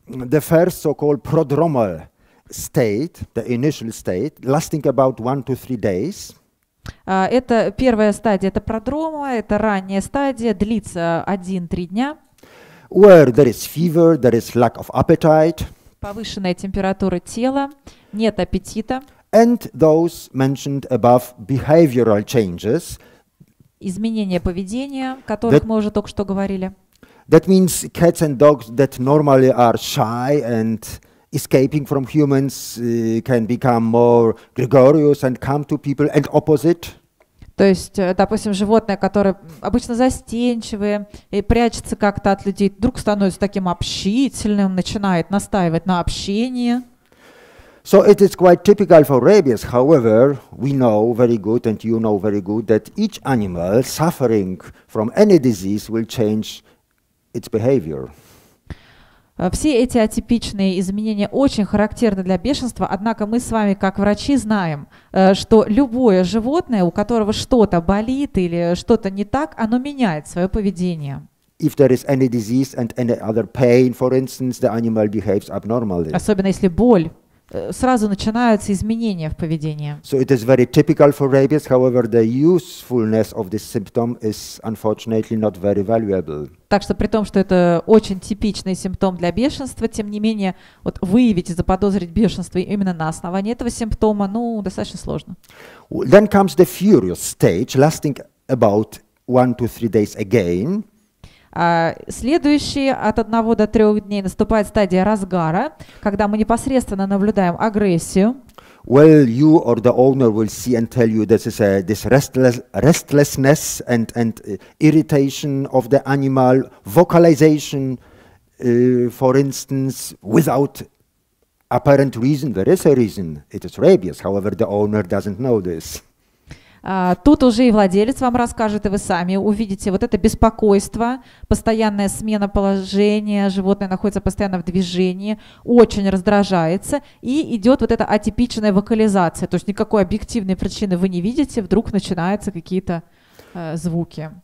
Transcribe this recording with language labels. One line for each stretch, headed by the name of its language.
English: The first so-called prodromal state, the initial state, lasting about 1 to 3 days.
Russian: Это первая стадия, это продрома, это ранняя стадия, длится 1-3 дня.
English: Where there is fever, there is lack of appetite.
Russian: Повышенная температура тела, нет аппетита.
English: And those mentioned above behavioral changes.
Russian: Изменения поведения, о которых мы уже только что говорили.
English: That means cats and dogs that normally are shy and escaping from humans can become more gregarious and come to people and opposite.
Russian: То есть, допустим, животное, которое обычно застенчивое и прячется как-то от людей, вдруг становится таким общительным, начинает настаивать на общении.
English: So it is quite typical for rabies. However, we know very good, and you know very good, that each animal suffering from any disease will change its behavior.
Russian: Все эти атипичные изменения очень характерны для бешенства, однако мы с вами, как врачи, знаем, что любое животное, у которого что-то болит или что-то не так, оно меняет свое поведение.
English: If there is any disease and any other pain, for instance, the animal behaves abnormally.
Russian: Особенно если боль, сразу начинаются изменения в поведении.
English: So it is very typical for rabies, however, the usefulness of this symptom is unfortunately not very valuable.
Russian: Так что при том, что это очень типичный симптом для бешенства, тем не менее, вот выявить и заподозрить бешенство именно на основании этого симптома, ну, достаточно сложно.
English: Then comes the furious stage, lasting about 1 to 3 days again.
Russian: Следующий от 1 до 3 дней наступает стадия разгара, когда мы непосредственно наблюдаем агрессию.
English: Well, you or the owner will see and tell you this is a, this restlessness and irritation of the animal, vocalization, for instance, without apparent reason. There is a reason. It is rabies. However, the owner doesn't know this.
Russian: Тут уже и владелец вам расскажет, и вы сами увидите вот это беспокойство, постоянная смена положения, животное находится постоянно в движении, очень раздражается, и идет вот эта атипичная вокализация, то есть никакой объективной причины вы не видите, вдруг начинаются какие-то звуки.